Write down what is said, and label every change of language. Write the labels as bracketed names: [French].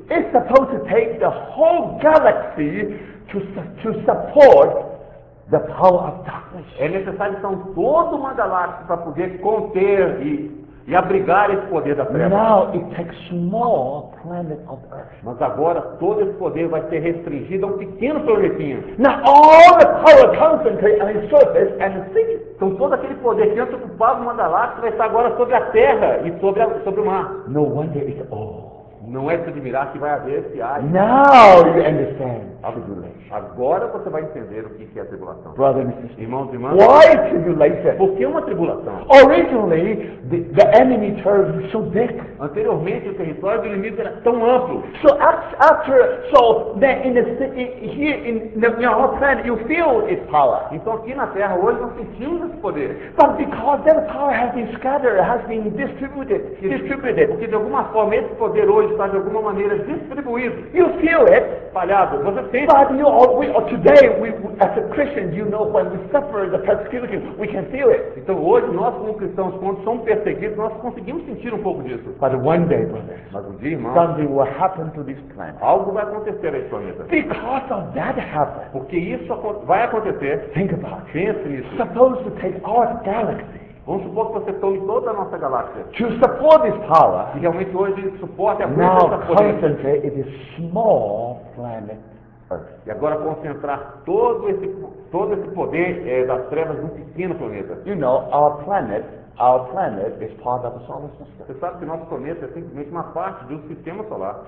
[English] It's supposed to take the whole galaxy to support the power of darkness. [Portuguese] É necessário então toda uma galáxia para poder conter e abrigar esse poder da treva. [English] Now it takes small planet of Earth. [Portuguese] Mas agora todo esse poder vai ser restringido a um pequeno planetinho. [English] Now all the power concentrated on the surface and the sea. [Portuguese] Então todo aquele poder que antes ocupava uma galáxia vai estar agora sobre a Terra e sobre o mar. [English] No wonder it's all. [Portuguese] Não é se admirar que vai haver esse ar. [English] Now you understand. [Portuguese] Agora você vai entender o que é a tribulação. [English] Brothers and sisters. [Portuguese] Irmãos e irmãs. [English] Why tribulation? [Portuguese] Por que uma tribulação? [English] Originally, the enemy territory was so big. [Portuguese] Anteriormente, o território do inimigo era tão amplo. [English] So after, so then in the city, here in our planet, you feel its power. [Portuguese] Então aqui na Terra hoje nós sentimos esse poder. [English] But because that power has been scattered, has been distributed. [Portuguese] Porque de alguma forma esse poder hoje está de alguma maneira distribuído. [English] You feel it. [Portuguese] Espalhado. Você sente. [English] But you all, today, as a Christian, you know when we suffer the persecution, we can feel it. [Portuguese] Então hoje nós como cristãos, quando somos perseguidos, nós conseguimos sentir um pouco disso. [English] But one day, brothers, something will happen to this planet. [Portuguese] Algo vai acontecer a esse planeta. [English] Because of that happen. [Portuguese] Porque isso vai acontecer. [English] Think about it. [Portuguese] Pense nisso. [English] Suppose to take our galaxy. [Portuguese] Vamos supor que você tome toda a nossa galáxia. [English] To support this power. [Portuguese] E realmente hoje suporte a força dessa potência. [English] Now concentrate a small planet. [Portuguese] E agora concentrar todo esse poder das trevas num pequeno planeta. [English] You know, our planet is part of the solar system. [Portuguese] Você sabe que nosso planeta é simplesmente uma parte do sistema solar.